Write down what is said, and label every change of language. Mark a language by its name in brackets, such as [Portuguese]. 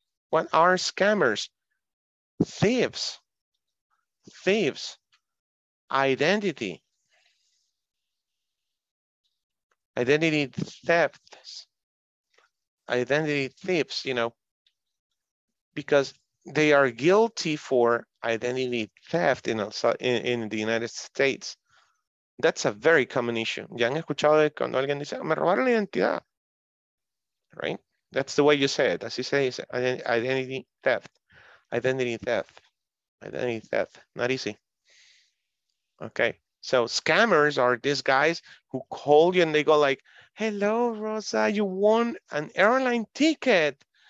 [English] What are scammers? Thieves. Thieves, identity thieves, you know, because they are guilty for identity theft in the United States. That's a very common issue. [Spanish] ¿Ya han escuchado de cuando alguien dice, me robaron la identidad? [English] Right? That's the way you say it. As you say, it's identity theft, not easy. Okay, so scammers are these guys who call you and they go like, hello, Rosa, you won an airline ticket.